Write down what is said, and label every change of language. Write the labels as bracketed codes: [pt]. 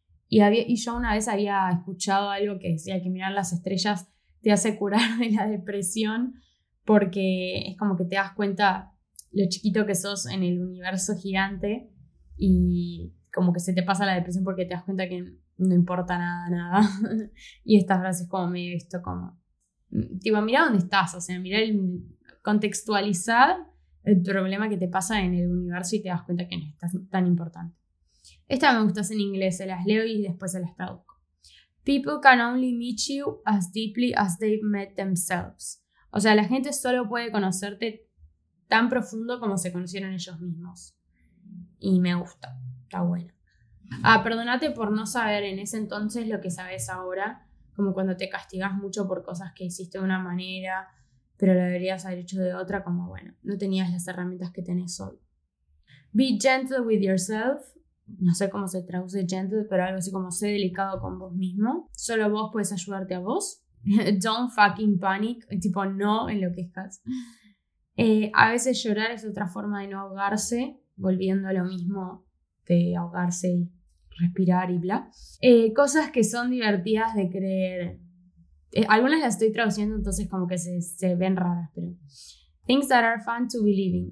[es] Y yo una vez había escuchado algo que decía que mirar las estrellas te hace curar de la depresión porque es como que te das cuenta lo chiquito que sos en el universo gigante y como que se te pasa la depresión porque te das cuenta que no importa nada, nada. Y esta frase es como medio esto como... Tipo, mirá dónde estás, o sea, mirá el contextualizar el problema que te pasa en el universo y te das cuenta que no es tan importante. Esta me gusta, es en inglés, se las leo y después se las traduzco. [en] People can only meet you as deeply as they've met themselves. [es] O sea, la gente solo puede conocerte tan profundo como se conocieron ellos mismos. Y me gusta, está bueno. Ah, perdónate por no saber en ese entonces lo que sabes ahora. Como cuando te castigas mucho por cosas que hiciste de una manera, pero lo deberías haber hecho de otra, como bueno, no tenías las herramientas que tenés hoy. [en] Be gentle with yourself. [es] No sé cómo se traduce gentle, pero algo así como sé delicado con vos mismo. Solo vos puedes ayudarte a vos. [en] Don't fucking panic. [es] Tipo, no enloquezcas. A veces llorar es otra forma de no ahogarse. Volviendo a lo mismo de ahogarse y respirar y bla. Cosas que son divertidas de creer. Algunas las estoy traduciendo, entonces como que se ven raras. [en] Pero things that are fun to believe in.